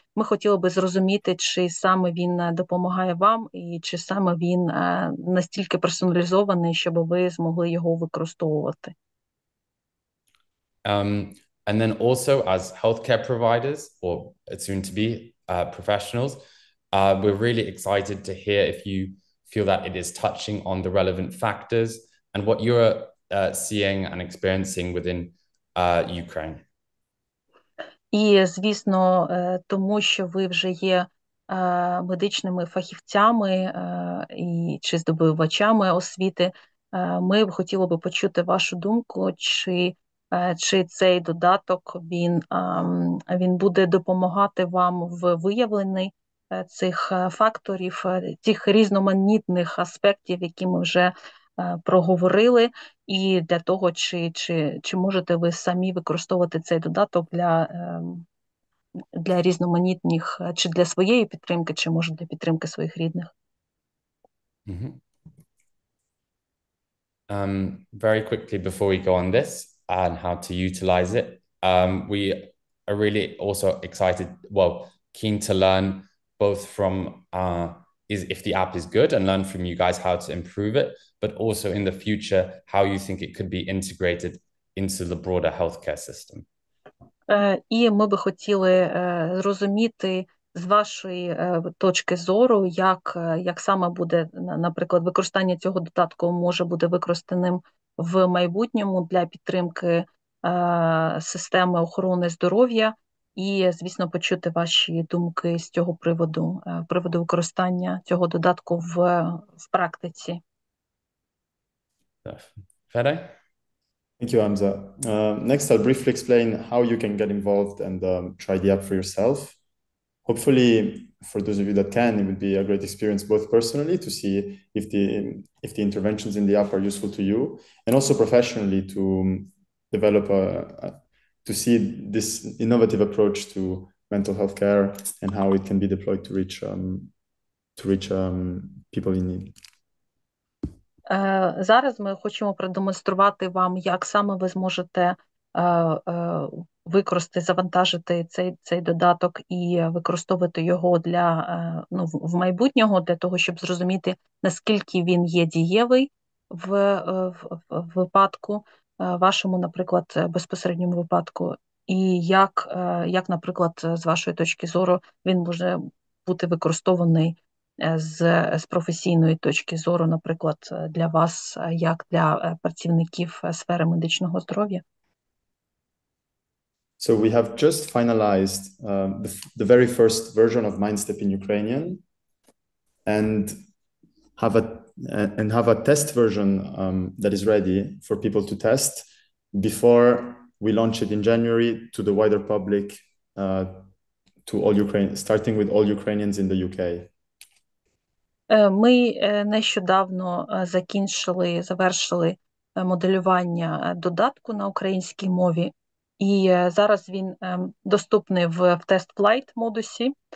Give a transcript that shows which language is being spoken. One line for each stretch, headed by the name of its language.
Ukrainian: Ми хотіли би зрозуміти, чи саме він допомагає вам, і чи саме він настільки персоналізований, щоб ви змогли його використовувати.
English: And then also as healthcare providers or soon to be professionals, we're really excited to hear if you feel that it is touching on the relevant factors and what you're seeing and experiencing within Ukraine.
Ukrainian: І, звісно, тому що ви вже є медичними фахівцями чи здобувачами освіти, ми б хотіли би почути вашу думку, чи цей додаток, він буде допомагати вам в виявленні цих факторів, тих різноманітних аспектів, які ми вже проговорили, і для того, чи можете ви самі використовувати цей додаток для різноманітних, чи для своєї підтримки, чи, може, для підтримки своїх рідних. Mm-hmm.
English: Very quickly before we go on this and how to utilize it, we are really also excited, well, keen to learn both from if the app is good and learn from you guys how to improve it, but also in the future, how you think it could be integrated into the broader healthcare system.
Ukrainian: І ми би хотіли зрозуміти з вашої точки зору, як саме буде, наприклад, використання цього додатку може бути використаним в майбутньому для підтримки системи охорони здоров'я, і, звісно, почути ваші думки з цього приводу, приводу використання цього додатку в практиці.
English: Fede? Thank you, Hamza. Next, I'll briefly explain how you can get involved and try the app for yourself. Hopefully, for those of you that can, it would be a great experience both personally to see if the interventions in the app are useful to you, and also professionally to develop to see this innovative approach to mental health care and how it can be deployed to reach people in need.
Ukrainian: Зараз ми хочемо продемонструвати вам, як саме ви зможете використати, завантажити цей додаток і використовувати його для в майбутнього, для того, щоб зрозуміти, наскільки він є дієвий в випадку вашому, наприклад, безпосередньому випадку, і як, наприклад, з вашої точки зору, він може бути використаний з професійної точки зору, наприклад, для вас, як для працівників сфери медичного здоров'я.
English: So we have just finalized the very first version of MindStep in Ukrainian and have a test version that is ready for people to test before we launch it in January to the wider public, to all Ukraine, starting with all Ukrainians in the UK.
Ukrainian: Ми нещодавно завершили моделювання додатку на українській мові, і зараз він доступний в тест-флайт модусі.